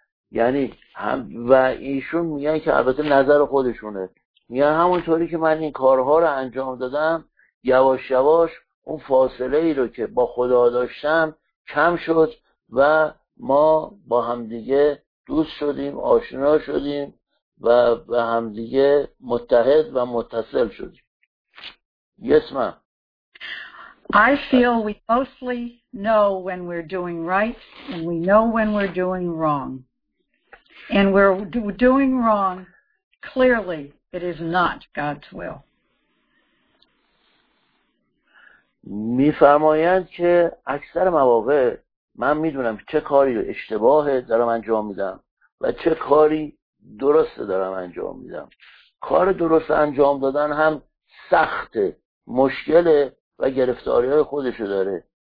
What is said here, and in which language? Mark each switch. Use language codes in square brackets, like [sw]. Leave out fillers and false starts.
[fa] یعنی هم و ایشون میگن که البته نظر خودشونه، میگن همونطوری که من این کارها رو انجام دادم، یواش یواش اون فاصله ای رو که با خدا داشتم کم شد و ما با همدیگه دوست شدیم، آشنا شدیم و به همدیگه متحد و متصل شدیم. [en] Yes, ma'am. I feel we mostly know when we're doing right and we know when we're doing wrong. And we're doing wrong, clearly it is not God's will. [fa] می فرمایند که اکثر مواقع من میدونم چه کاری اشتباهه دارم انجام میدم و چه کاری درسته دارم انجام میدم. کار درست انجام دادن هم سخته، مشکله و گرفتاری های خودشو داره.